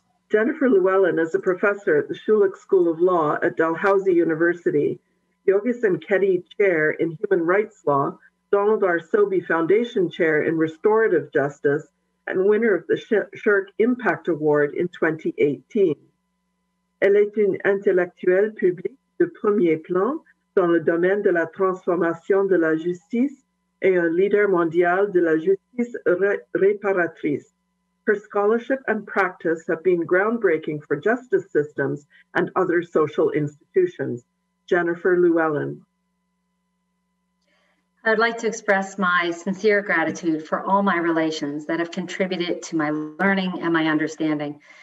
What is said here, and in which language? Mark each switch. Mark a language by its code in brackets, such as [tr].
[en] Jennifer Llewellyn is a professor at the Schulich School of Law at Dalhousie University, Yogesan Kedi Chair in Human Rights Law, Donald R. Sobey Foundation Chair in Restorative Justice, and winner of the Shirk Impact Award in 2018. [fr] Elle est une intellectuelle publique de premier plan dans le domaine de la transformation de la justice et un leader mondial de la justice réparatrice. [en] Her scholarship and practice have been groundbreaking for justice systems and other social institutions. Jennifer Llewellyn. I'd like to express my sincere gratitude for all my relations that have contributed to my learning and my understanding.